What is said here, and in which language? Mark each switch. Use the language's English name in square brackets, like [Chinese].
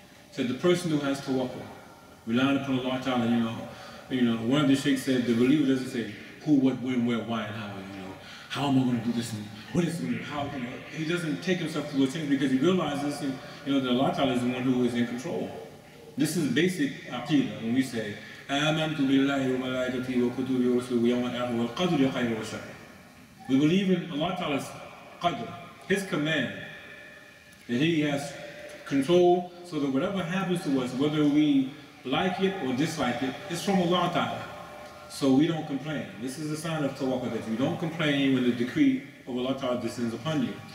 [English] Said the person who has tawakkul, relying upon Allah Ta'ala, you know, one of the sheikhs said the believer doesn't say who, what, when, where, why, and how, you know, how am I going to do this, and what is it, how, you know, he doesn't take himself through those things because he realizes, you know, that Allah Ta'ala is the one who is in control. This is basic aqidah when we say, [Arabic] آمَنْتُ بِاللَّهِ وَمَلَائِكَتِهِ وَكُتُبِهِ وَرُسُلِهِ وَيَوْمَ الْآخِرِ وَالْقَدْرِ خَيْرٍ وَشَرٍ. [English] We believe in Allah Ta'ala's qadr, his command, that he has control so that whatever happens to us, whether we like it or dislike it, it's from Allah Ta'ala. So we don't complain. This is a sign of tawakkul, that you don't complain when the decree of Allah Ta'ala descends upon you.